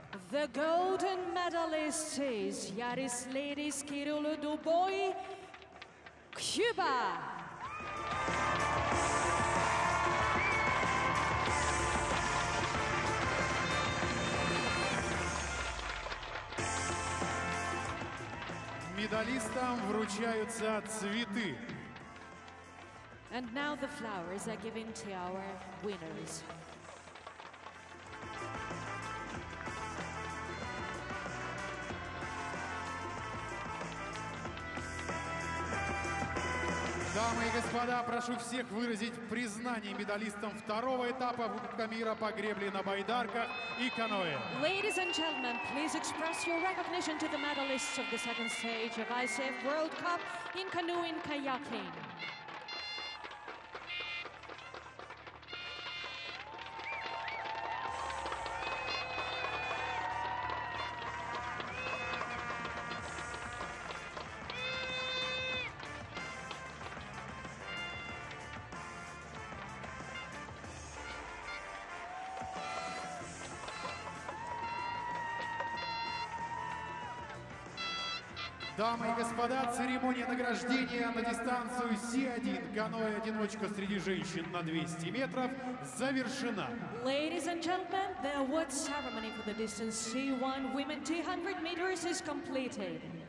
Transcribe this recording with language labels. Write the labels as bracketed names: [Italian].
[English] The golden medalist is Yarisladis Kirulu Duboy, Cuba. [Russian] Медалистам вручаются цветы. [English] And now the flowers are given to our winners. [Russian] Дамы и господа, прошу всех выразить признание медалистам второго этапа Кубка мира по гребле на байдарках и каноэ. [English] Ladies and gentlemen, please express your recognition to the medalists of the second stage of ICF World Cup in canoe and kayaking. [Russian] Дамы и господа, церемония награждения на дистанцию C1 каноэ-одиночка среди женщин на 200 метров завершена. [English] Ladies and gentlemen, the award ceremony for the distance C1 women 200 meters is completed.